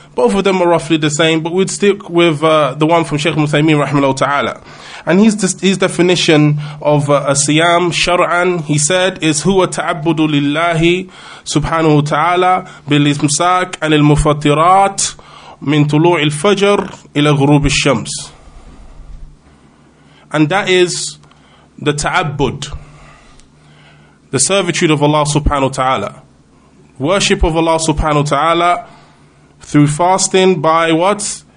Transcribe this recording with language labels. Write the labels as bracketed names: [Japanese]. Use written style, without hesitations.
[English] Both of them are roughly the same, but we'd stick with the one from Sheikh Ibn Uthaymeen, rahimahullah ta'ala. And his definition of a siyam shar'an, he said, is [Arabic] huwa ta'abbudu lillahi subhanahu wa ta'ala bil-imsak anil-mufattirat من طلوع الفجر إلى غروب الشمس. [English] And that is the ta'abbud, the servitude of Allah subhanahu wa ta'ala, worship of Allah subhanahu wa ta'ala through fasting, by what?